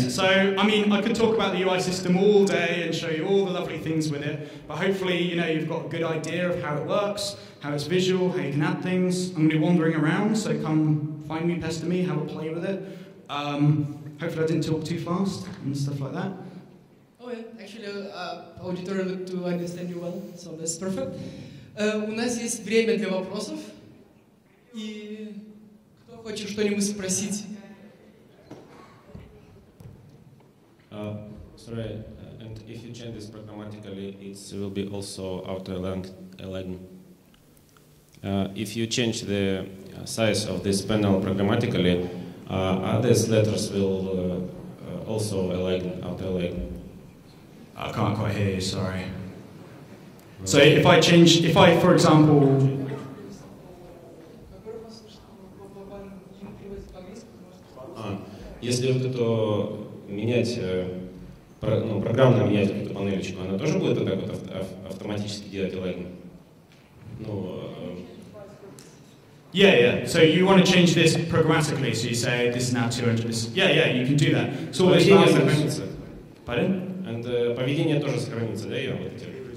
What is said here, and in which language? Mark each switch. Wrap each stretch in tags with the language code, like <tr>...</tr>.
<en>So, I mean, I could talk about the UI system all day and show you all the lovely things with it, but hopefully, you know, you've got a good idea of how it works, how it's visual, how you can add things. I'm going to be wandering around, so come find me, pester me, have a play with it. Hopefully I didn't talk too fast and stuff like that. Oh yeah, actually, auditor looked to understand you well, so that's perfect.</en> <ru>У нас есть время для вопросов. И кто хочет что-нибудь спросить?</ru> <en>Sorry, and if you change this programmatically, it will be also auto-aligned. If you change the size of this panel programmatically, other letters will also align, auto-align. I can't quite hear you, sorry. So if I change, if I, for example...</en> <ru>Если вот это менять, ну, программно менять эту панельчику, она тоже будет так вот автоматически делать лайн? Ну...</ru> <en>Yeah, yeah. So you want to change this programmatically, so you say this is now 200. Yeah, yeah, you can do that. So always</en> <ru>поведение сохранится.</ru> <en>Pardon? And</en> <ru>поведение тоже сохранится, да, я вот эти...</ru>